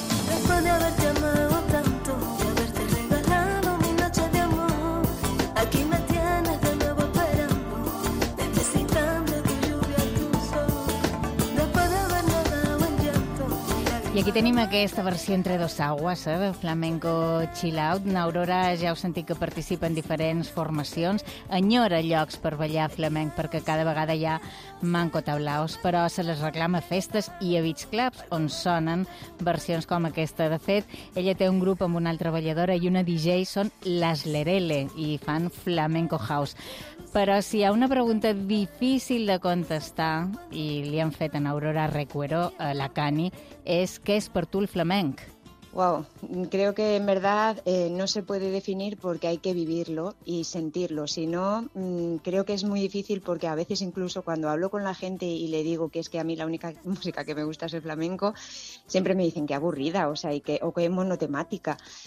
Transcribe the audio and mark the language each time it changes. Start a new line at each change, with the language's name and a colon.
Spanish: Después de haberte amado tanto, de haberte regalado mi noche de amor, aquí me tienes de nuevo esperando, necesitando de lluvia tu sol. Después de haber nadado en llanto...
Catalan: I aquí tenim aquesta versió entre dos aguas, de flamenco chill out. N'Aurora ja heu sentit que participa en diferents formacions. Enyora llocs per ballar flamenc perquè cada vegada hi ha manco tablaos, però se les reclama festes i a beach clubs on sonen versions com aquesta. De fet, ella té un grup amb una altra balladora i una DJ, són Las Lerele, i fan flamenco house. Però si hi ha una pregunta difícil de contestar, i li han fet a Aurora Recuero, a la Cani, és què és per tu el flamenc?
Spanish: Wow, creo que en verdad no se puede definir porque hay que vivirlo y sentirlo. Si no, creo que es muy difícil porque a veces incluso cuando hablo con la gente y le digo que es que a mí la única música que me gusta es el flamenco, siempre me dicen que aburrida, o sea, que es monotemática.